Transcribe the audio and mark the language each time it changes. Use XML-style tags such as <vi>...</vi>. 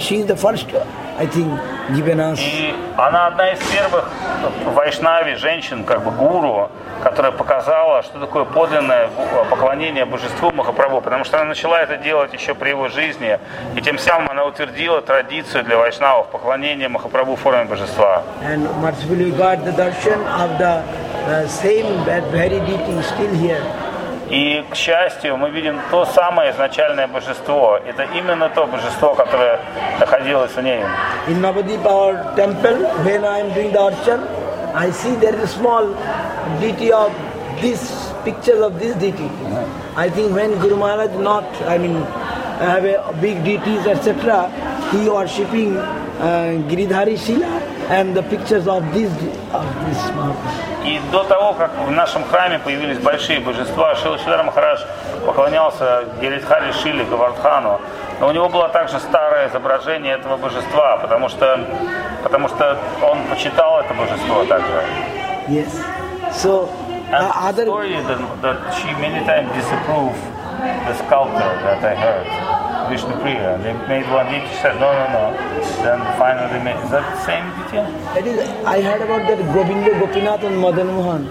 <en>She is the first, I think, given us.</en> <ru>И она одна из первых вайшнави женщин, как бы гуру, которая показала, что такое подлинное поклонение божеству Махапрабху, потому что она начала это делать еще при его жизни, и тем самым она утвердила традицию для вайшнавов поклонения Махапрабху в форме божества.</ru> <en>And mercifully we got the darshan of the same that very deity still here.</en> <ru>И, к счастью, мы видим то самое изначальное божество. Это именно то божество, которое находилось в ней.</ru> <en>In Navadvipa temple, when I am doing the archan, I see there is a small deity of this picture of this deity. I think when Guru Maharaj not, I mean, have a big deities, etc., he worshipping Giridhari Shila and the pictures of this marble.</en> <ru>И до того, как в нашем храме появились большие божества, Шрила Шридхара Махарадж поклонялся Гиридхари Шиле, Говардхану. Но у него было также старое изображение этого божества, потому что он почитал это божество также.</ru> <en>Yes. So, the story that she many times disapproved the sculptor that I heard, Vishnu Priya. They made one deity, she said, no. Then finally they made... Is that the same deity? That is, I heard about that Govinda Gopinath and Madan Mohan.</en>